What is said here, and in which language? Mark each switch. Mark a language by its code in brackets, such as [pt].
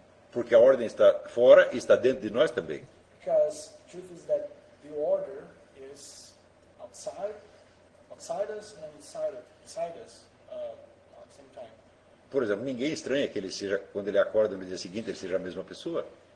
[pt] Porque a ordem está fora e está dentro de nós também. [en] Because the truth is that the order is outside us and inside us at the same time. [pt] Por exemplo, ninguém estranha que ele seja, quando ele acorda no dia seguinte, ele seja a mesma pessoa.